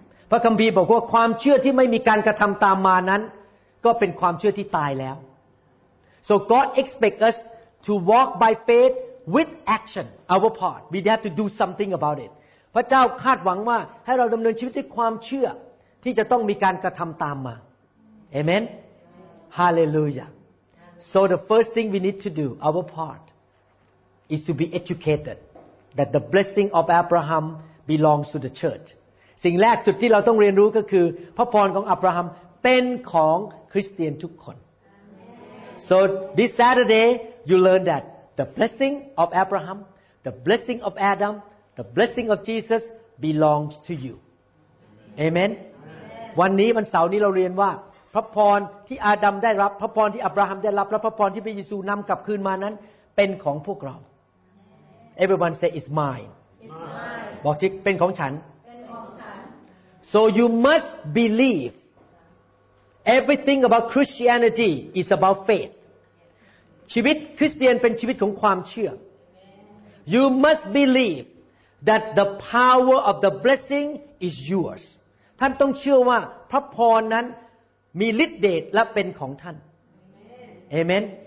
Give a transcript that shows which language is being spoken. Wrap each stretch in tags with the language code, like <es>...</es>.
<th>พระคัมภีร์บอกว่าความเชื่อที่ไม่มีการกระทำตามมานั้นก็เป็นความเชื่อที่ตายแล้ว</th> <en>So God expect us to walk by faith with action. Our part. We have to do something about it.</en> <th>พระเจ้าคาดหวังว่าให้เราดำเนินชีวิตด้วยความเชื่อที่จะต้องมีการกระทำตามมาเอเมนฮาเลลูยา</th> <en>So the first thing we need to do, our part, is to be educated that the blessing of Abraham belongs to the church.</en> <th>สิ่งแรกสุดที่เราต้องเรียนรู้ก็คือพระพรของอับราฮัมเป็นของคริสเตียนทุกคน</th> <en>So this Saturday you learn that the blessing of Abraham, the blessing of Adam, the blessing of Jesus belongs to you. Amen. Amen.</en> <th>วันนี้วันเสาร์นี้เราเรียนว่าพระพรที่อาดัมได้รับพระพรที่อับราฮัมได้รับและพระพรที่พระเยซูนำกลับคืนมานั้นเป็นของพวกเรา</th> <en>Everyone say it's mine.</en> <th>บอกที่ เป็ นของฉั น</th> <en>So you must believe everything about Christianity is about faith.</en> <th>ชีวิตคริสเตียนเป็นชีวิตของความเชื่อ</th> <en>You must believe that the power of the blessing is yours.</en> <th>ท่านต้องเชื่อว่าพระพรนั้นมีฤทธิ์เดชและเป็นของท่าน</th> <en>Amen.</en>